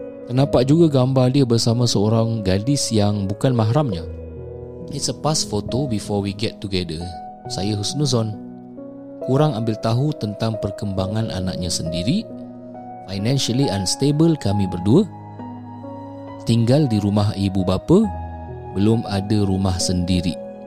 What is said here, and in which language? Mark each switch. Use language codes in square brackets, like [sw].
[ms] Ternampak juga gambar dia bersama seorang gadis yang bukan mahramnya. [en] It's a past photo before we get together. [ms] Saya husnuzon. Kurang ambil tahu tentang perkembangan anaknya sendiri. [en] Financially unstable [ms] kami berdua. Tinggal di rumah ibu bapa. Belum ada rumah sendiri.